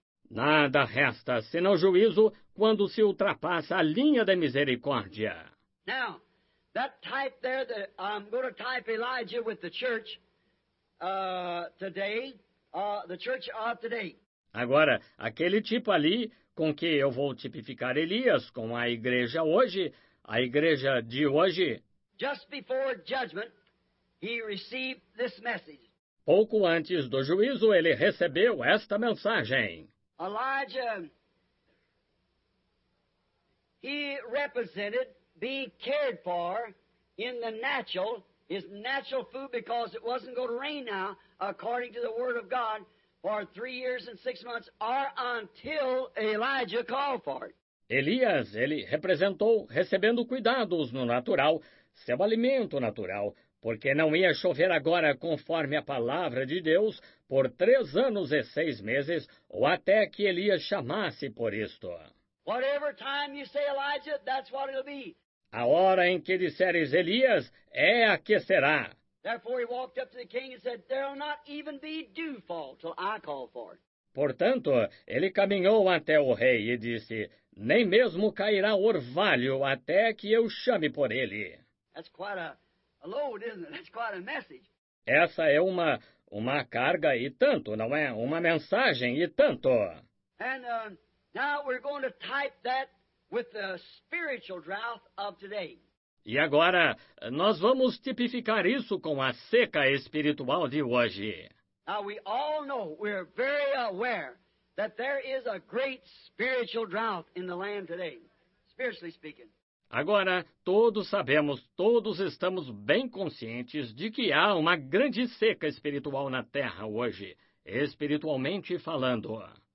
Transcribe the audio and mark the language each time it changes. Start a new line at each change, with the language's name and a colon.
Portuguese: Nada resta senão juízo quando se ultrapassa a linha da misericórdia.
English: Now, that type there that I'm going to type Elijah with the church today, the church of today.
Portuguese: Agora, aquele tipo ali com que eu vou tipificar Elias com a igreja hoje. A igreja de hoje,
English: just before judgment, he received this message.
Portuguese: Pouco antes do juízo, ele recebeu esta mensagem.
English: Elijah, he represented being cared for in the natural, his natural food, because it wasn't going to rain now, according to the word of God, for 3 years and 6 months, or until Elijah called for it.
Portuguese: Elias, ele representou recebendo cuidados no natural, seu alimento natural, porque não ia chover agora conforme a palavra de Deus por 3 anos e 6 meses ou até que Elias chamasse por isto.
English: Whatever time you say Elijah, that's what it'll be.
Portuguese: A hora em que disseres Elias, é a que será.
English: Therefore he walked up to the king and said, there'll not even be dew fall till I call for it.
Portuguese: Portanto, ele caminhou até o rei e disse, nem mesmo cairá orvalho até que eu chame por ele.
English: That's quite a load, isn't it? That's quite a message.
Portuguese: Essa é uma carga e tanto, não é? Uma mensagem e tanto.
English: And now we're going to type that with the spiritual drought of today.
Portuguese: E agora, nós vamos tipificar isso com a seca espiritual de hoje.
English: Now we all know, we're very aware that there is a great spiritual drought in the land today, spiritually speaking.
Portuguese: Agora, todos sabemos, todos estamos bem conscientes de que há uma grande seca espiritual na terra hoje, espiritualmente falando.